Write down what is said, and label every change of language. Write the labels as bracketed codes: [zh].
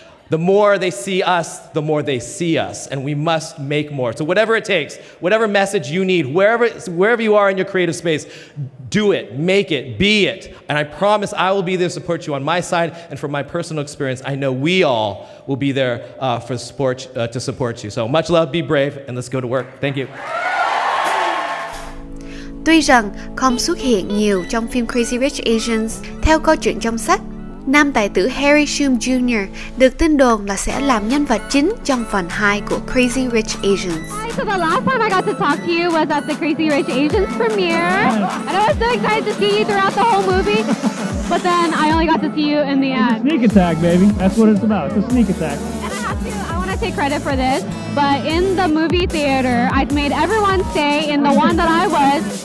[en] The more they see us, the more they see us, and we must make more. So whatever it takes, whatever message you need, wherever you are in your creative space, do it, make it, be it. And I promise I will be there to support you on my side, and from my personal experience, I know we all will be there to support you. So much love, be brave, and let's go to work. Thank you. [vi] Tuy rằng không xuất hiện nhiều trong phim Crazy Rich Asians, theo câu chuyện trong sách, nam tài tử Harry Shum Jr. được tin đồn là sẽ làm nhân vật chính trong phần 2 của Crazy Rich Asians. [en] Hi, so the last time I got to talk to you was at the Crazy Rich Asians premiere. And I was so excited to see you throughout the whole movie. But then I only got to see you in the end. Sneak attack, baby. That's what it's about. It's a sneak attack. I want to take credit for this. But in the movie theater, I made everyone stay in the one that I was.